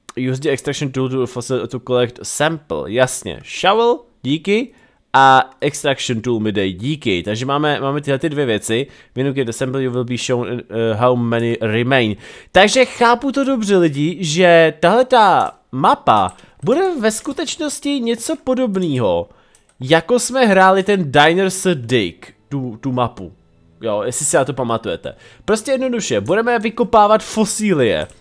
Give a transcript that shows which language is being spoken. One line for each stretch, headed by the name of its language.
English: Use the extraction tool to collect sample, jasně, shovel, díky.
Czech: A extraction tool mi dej, díky. Takže máme tyhle ty dvě věci.
English: When you get the sample, you will be shown how many remain.
Czech: Takže chápu to dobře, lidi, že tahle ta mapa bude ve skutečnosti něco podobného, jako jsme hráli ten Diner's Dig, tu mapu. Jo, jestli si na to pamatujete. Prostě jednoduše, budeme vykopávat fosílie.